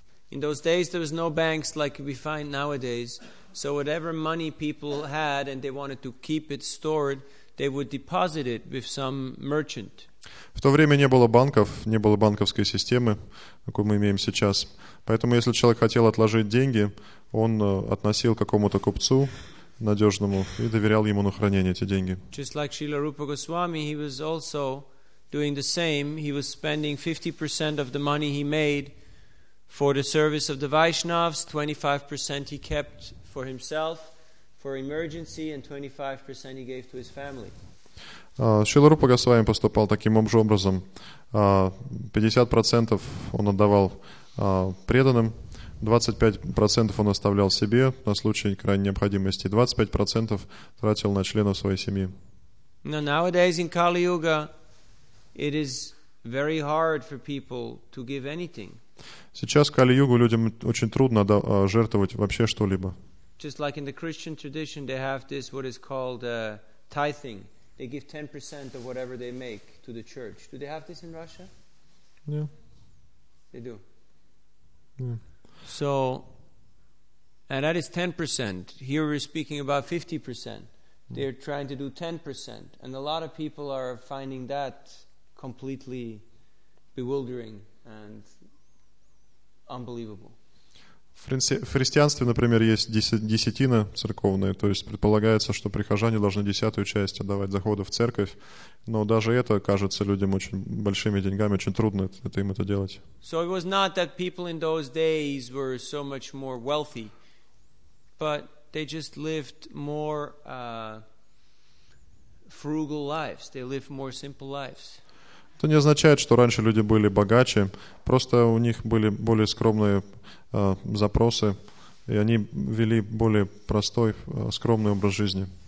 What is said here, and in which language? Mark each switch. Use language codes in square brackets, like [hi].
[en] In those days there was no banks like we find nowadays. So whatever money people had and they wanted to keep it stored, they would deposit it with some merchant. [ru] В то время не было банков, не было банковской системы, какую мы имеем сейчас. Поэтому, если человек хотел отложить деньги, он относил какому-то купцу надежному и доверял ему на хранение эти деньги. [en] Just like Srila Rupa Goswami, he was also doing the same. He was spending 50% of the money he made for the service of the Vaishnavas, 25% he kept for himself, for emergency, and 25% he gave to his family. [ru] Шрила Рупа Госвами поступал таким же образом. 50% он отдавал преданным, 25% он оставлял себе на случай крайней необходимости, 25% тратил на членов своей семьи. [en] Now, nowadays in Kali Yuga, it is very hard for people to give anything. [ru] Сейчас в Кали-Югу людям очень трудно жертвовать вообще что-либо. [en] Just like in the Christian tradition, they have this what is called tithing. They give 10% of whatever they make to the church. Do they have this in Russia? Yeah. They do. Yeah. So, and that is 10%. Here we're speaking about 50%. They're trying to do 10%. And a lot of people are finding that completely bewildering and unbelievable. [ru] В христианстве, например, есть десятина церковная, то есть предполагается, что прихожане должны десятую часть отдавать заходов в церковь, но даже это кажется людям очень большими деньгами, очень трудно это им это делать. [en] So it was not that people in those days were so much more wealthy, but they just lived more frugal lives, they lived more simple lives. [ru] Это не означает, что раньше люди были богаче, просто у них были более скромные запросы, и они вели более простой, скромный образ жизни.